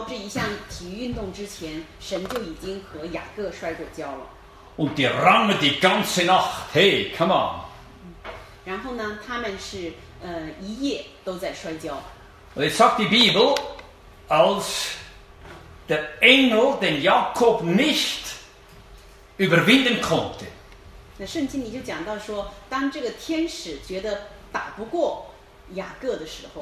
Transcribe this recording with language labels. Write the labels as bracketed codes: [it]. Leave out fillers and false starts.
[zh] 就是有这个摔跤这一项体育运动之前, 神就已经和雅各摔过跤了。 [de] Und die rangen die ganze Nacht, [en] hey, come on. [zh] 然后呢, 他们是, 一夜都在摔跤。 [en] Well, it's like the Bible, [de] als der Engel den Jakob nicht überwinden konnte. [zh] 那圣经里就讲到说, 当这个天使觉得打不过雅各的时候,